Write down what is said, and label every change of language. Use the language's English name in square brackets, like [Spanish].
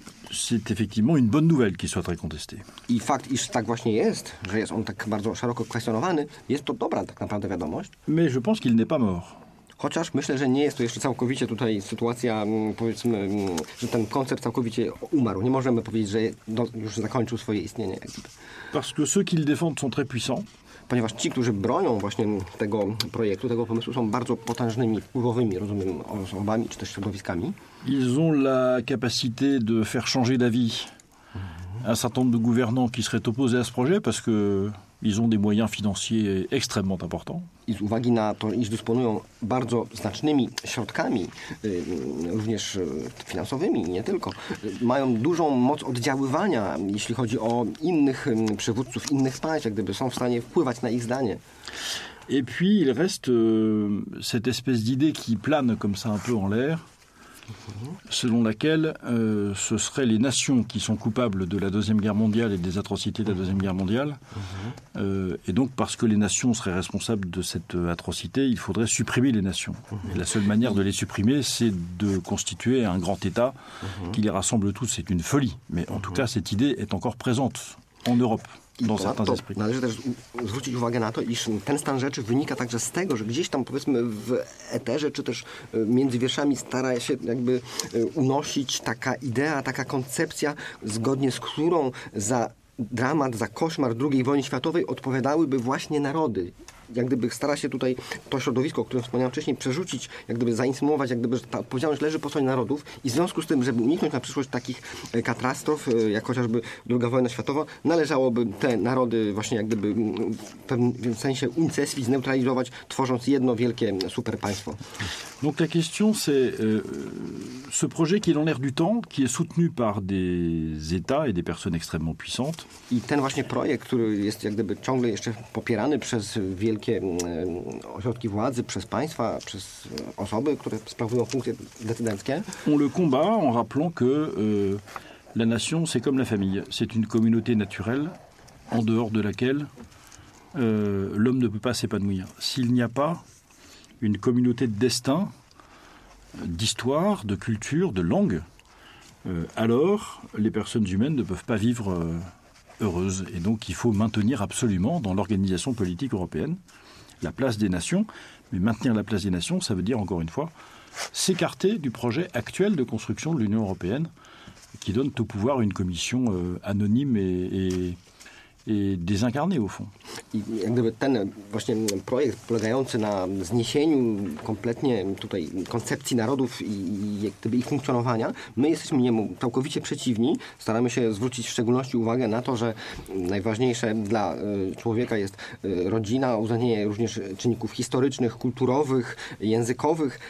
[French] C'est effectivement une bonne nouvelle qu'il soit très contesté. [Polish] I fakt, iż tak właśnie jest, że jest on tak bardzo szeroko kwestionowany, jest to dobra tak naprawdę wiadomość. [French] Mais je pense qu'il n'est pas mort. [Polish] Chociaż myślę, że nie jest to jeszcze całkowicie tutaj sytuacja, powiedzmy, że ten koncept całkowicie umarł. Nie możemy powiedzieć, że już zakończył swoje istnienie. [French] Parce que ceux qui le défendent sont très puissants. [Polish] Ponieważ ci, którzy bronią właśnie tego projektu, tego pomysłu, są bardzo potężnymi, wpływowymi, rozumiem, osobami czy też środowiskami. [French] Ils ont la capacité de faire changer d'avis un certain nombre de gouvernants qui seraient opposés à ce projet, parce que ils ont des moyens financiers extrêmement importants. [Polish] I z uwagi na to, iż dysponują bardzo znacznymi środkami, również finansowymi, nie tylko, mają dużą moc oddziaływania, jeśli chodzi o innych przywódców, innych państw, jak gdyby są w stanie wpływać na ich zdanie. [French] Et puis il reste cette espèce d'idée qui plane comme ça un peu en l'air, selon laquelle ce seraient les nations qui sont coupables de la Deuxième Guerre mondiale et des atrocités de la Deuxième Guerre mondiale. Et donc, parce que les nations seraient responsables de cette atrocité, il faudrait supprimer les nations. Et la seule manière de les supprimer, c'est de constituer un grand État qui les rassemble tous. C'est une folie. Mais en tout cas, cette idée est encore présente en Europe. [Polish] Należy też zwrócić uwagę na to, iż ten stan rzeczy wynika także z tego, że gdzieś tam powiedzmy w eterze, czy też między wierszami stara się jakby unosić taka idea, taka koncepcja, zgodnie z którą za dramat, za koszmar II wojny światowej odpowiadałyby właśnie narody. Jak gdyby stara się tutaj to środowisko, o którym wspomniałem wcześniej, przerzucić, jak gdyby zainsynuować, jak gdyby że ta odpowiedzialność leży po stronie narodów i w związku z tym, żeby uniknąć na przyszłość takich katastrof, jak chociażby II wojna światowa, należałoby te narody właśnie jak gdyby w pewnym sensie unicestwić, zneutralizować, tworząc jedno wielkie superpaństwo. [French] Donc la question c'est ce projet qui est dans l'air du temps, qui est soutenu par des états et des personnes extrêmement puissantes. [Polish] I ten właśnie projekt, który jest jak gdyby ciągle jeszcze popierany przez wielkie ośrodki władzy, przez państwa, przez osoby, które sprawują funkcje decydenckie. [French] On le combat en rappelant que la nation c'est comme la famille, c'est une communauté naturelle en dehors de laquelle l'homme ne peut pas s'épanouir. S'il n'y a pas une communauté de destin, d'histoire, de culture, de langue, alors les personnes humaines ne peuvent pas vivre heureuses. Et donc il faut maintenir absolument dans l'organisation politique européenne la place des nations. Mais maintenir la place des nations, ça veut dire encore une fois s'écarter du projet actuel de construction de l'Union européenne qui donne tout pouvoir à une commission anonyme et désincarnée au fond. [Polish] I jak gdyby ten właśnie projekt polegający na zniesieniu kompletnie tutaj koncepcji narodów i jak gdyby ich funkcjonowania, my jesteśmy niemu całkowicie przeciwni. Staramy się zwrócić w szczególności uwagę na to, że najważniejsze dla człowieka jest rodzina, uwzględnienie również czynników historycznych, kulturowych, językowych.